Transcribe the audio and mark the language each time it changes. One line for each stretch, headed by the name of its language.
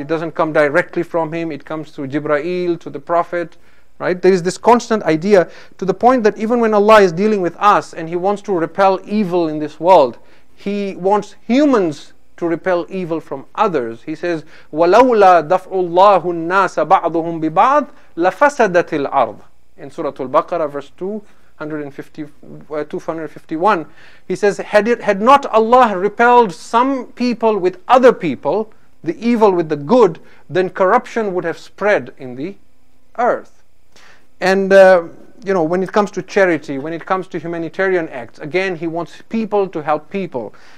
English: It doesn't come directly from Him. It comes through Jibreel to the Prophet. Right? There is this constant idea to the point that even when Allah is dealing with us and He wants to repel evil in this world, He wants humans to repel evil from others. He says,
Arabic: وَلَوْلَا دَفْعُ اللَّهُ النَّاسَ بَعْضُهُمْ بِبَعْضٍ لَفَسَدَتِ الْأَرْضِ.
English: In Surah Al-Baqarah, verse 251, he says, had not Allah repelled some people with other people, the evil with the good, then corruption would have spread in the earth. And you know, when it comes to charity, when it comes to humanitarian acts, again, He wants people to help people.